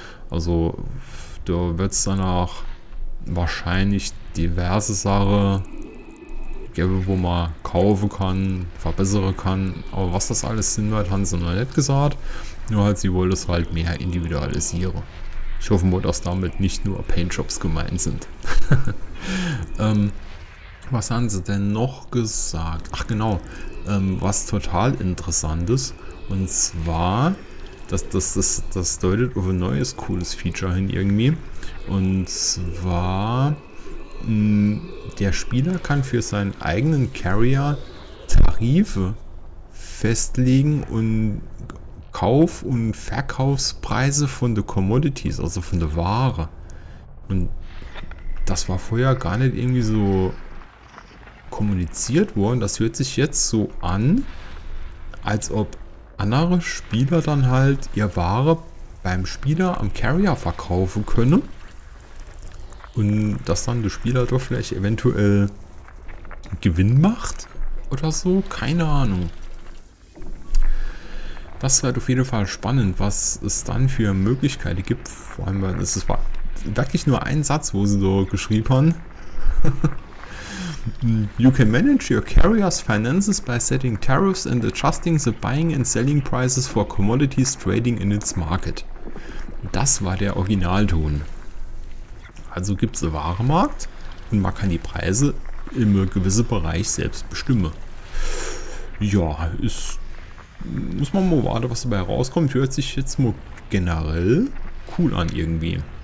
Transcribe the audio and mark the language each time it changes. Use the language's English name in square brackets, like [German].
[German] Also da wird es danach wahrscheinlich diverse Sachen gäbe, wo man kaufen kann, verbessern kann. Aber was das alles sind, wird, haben sie noch nicht gesagt. Nur halt, sie wollen es halt mehr individualisieren. Ich hoffe mal, dass damit nicht nur Paintjobs gemeint sind. Was haben sie denn noch gesagt? Ach genau, was total interessant ist. Und zwar, das deutet auf ein neues, cooles Feature hin irgendwie. Und zwar, der Spieler kann für seinen eigenen Carrier Tarife festlegen und Kauf- und Verkaufspreise von den Commodities, also von der Ware. Und das war vorher gar nicht irgendwie so kommuniziert worden. Das hört sich jetzt so an, als ob andere Spieler dann halt ihr Ware beim Spieler am Carrier verkaufen können. Und dass dann der Spieler doch vielleicht eventuell Gewinn macht oder so, keine Ahnung. Das wird auf jeden Fall spannend, was es dann für Möglichkeiten gibt. Vor allem, weil es war wirklich nur ein Satz, wo sie so geschrieben haben. [English] You can manage your carrier's finances by setting tariffs and adjusting the buying and selling prices for commodities trading in its market. [German] Das war der Originalton. Also gibt es einen Warenmarkt und man kann die Preise im gewissen Bereich selbst bestimmen. Ja, ist. Muss man mal warten, was dabei rauskommt. Hört sich jetzt mal generell cool an irgendwie.